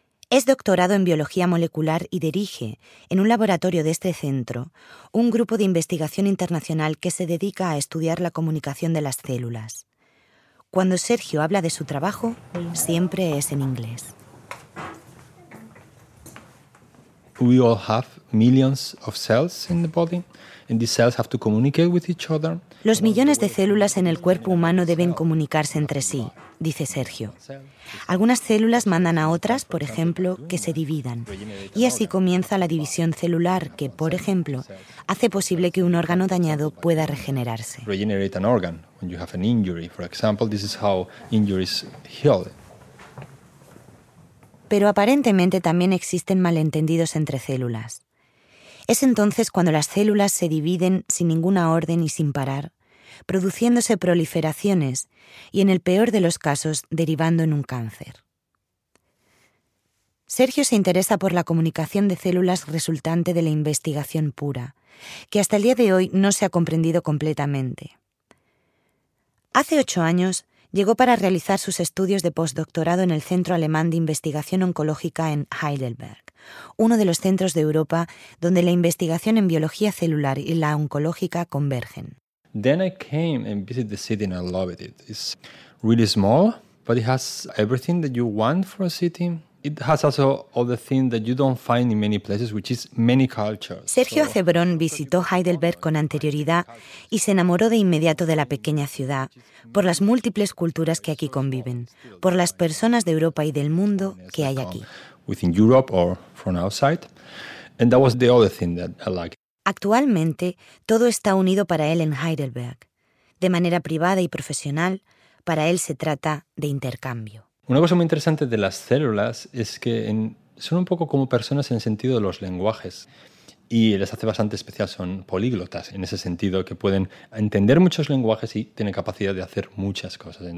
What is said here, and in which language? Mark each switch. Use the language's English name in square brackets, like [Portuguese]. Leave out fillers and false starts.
[Spanish] Es doctorado en biología molecular y dirige, en un laboratorio de este centro, un grupo de investigación internacional que se dedica a estudiar la comunicación de las células. Cuando Sergio habla de su trabajo, siempre es en inglés. [English] We all have millions of cells in the body, and these cells have to communicate with each other. [Spanish] Los millones de células en el cuerpo humano deben comunicarse entre sí, dice Sergio. Algunas células mandan a otras, por ejemplo, que se dividan. Y así comienza la división celular que, por ejemplo, hace posible que un órgano dañado pueda regenerarse. [English] Regenerate an organ when you have an injury, for example, this is how injuries heal. [Spanish] Pero aparentemente también existen malentendidos entre células. Es entonces cuando las células se dividen sin ninguna orden y sin parar, produciéndose proliferaciones y, en el peor de los casos, derivando en un cáncer. Sergio se interesa por la comunicación de células resultante de la investigación pura, que hasta el día de hoy no se ha comprendido completamente. Hace 8 años, llegó para realizar sus estudios de postdoctorado en el Centro Alemán de Investigación Oncológica en Heidelberg, uno de los centros de Europa donde la investigación en biología celular y la oncológica convergen. [English] Then I came and visited the city and I loved it. It's really small, but it has everything that you want for a city. It has also all the things that you don't find in many places, which is many cultures. [Spanish] Sergio Acebrón visitó Heidelberg con anterioridad y se enamoró de inmediato de la pequeña ciudad, por las múltiples culturas que aquí conviven, por las personas de Europa y del mundo que hay aquí. [English] Within Europe or from outside, and that was the other thing that I like. [Spanish] Actualmente, todo está unido para él en Heidelberg. De manera privada y profesional, para él se trata de intercambio. Una cosa muy interesante de las células es que son un poco como personas en el sentido de los lenguajes y les hace bastante especial, son políglotas en ese sentido, que pueden entender muchos lenguajes y tienen capacidad de hacer muchas cosas.